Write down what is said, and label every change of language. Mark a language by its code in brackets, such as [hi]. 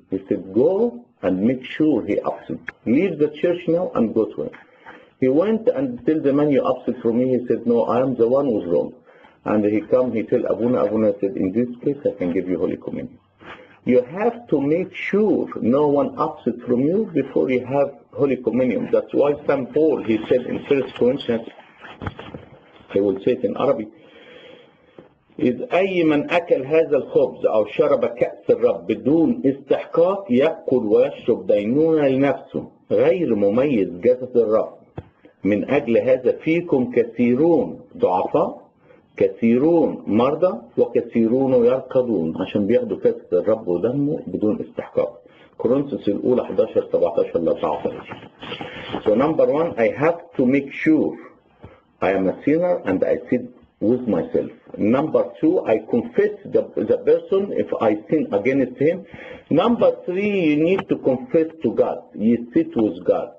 [en] He said, go and make sure he upset. Leave the church now and go to him. He went and tell the man, you upset for me? He said, no, I am the one who's wrong. And he come, he tell Abuna, said, in this case, I can give you Holy Communion. You have to make sure no one upset from you before you have Holy Communion. That's why Saint Paul, he said in 1 Corinthians, I will say it in Arabic, is [ar] أي من أكل هذا الخبز أو شرب كأس الرب بدون استحقاق يأكل ويشرب دينونة لنفسه غير مميز جسد الرب من أجل هذا فيكم كثيرون ضعفاء كثيرون مرضى وكثيرون يركضون عشان بياخدوا كاسة الرب ودمه بدون استحقاق. كورنثوس الأولى 11 17 ل 19. [en] So number one, I have to make sure I am a sinner and I sit with myself. Number two, I confess the person if I sin against him. Number three, you need to confess to God. You sit with God.